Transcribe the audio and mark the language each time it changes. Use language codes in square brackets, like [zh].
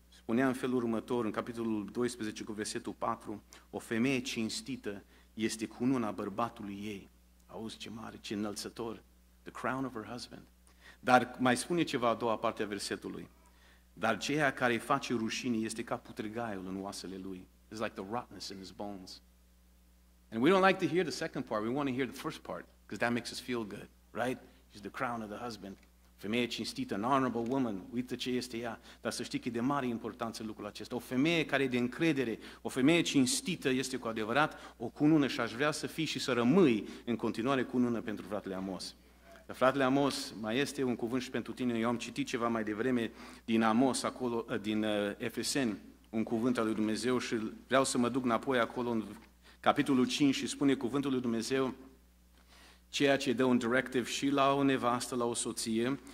[ro] Spunea în felul următor, în capitolul 12 cu versetul 4, o femeie cinstită este cununa bărbatului ei. Auzi ce mare, ce înălțător, [en] the crown of her husband. [ro] Dar mai spune ceva a doua parte a versetului. Dar ceea care îi face rușine este ca putregaiul în oasele lui. [en] It's like the rottenness in his bones. And we don't like to hear the second part, we want to hear the first part, because that makes us feel good, right? She's the crown of the husband. [ro] Femeie cinstită, [en] an honorable woman, [ro] uită ce este ea. Dar să știi că e de mare importanță lucrul acesta. O femeie care e de încredere, o femeie cinstită este cu adevărat o cunună și aș vrea să fii și să rămâi în continuare cunună pentru fratele Amos. Fratele Amos, mai este un cuvânt și pentru tine. Eu am citit ceva mai devreme din Amos, acolo, din Efeseni, un cuvânt al lui Dumnezeu și vreau să mă duc înapoi acolo în capitolul 5 și spune cuvântul lui Dumnezeu ceea ce dă un directive și la o nevastă, la o soție,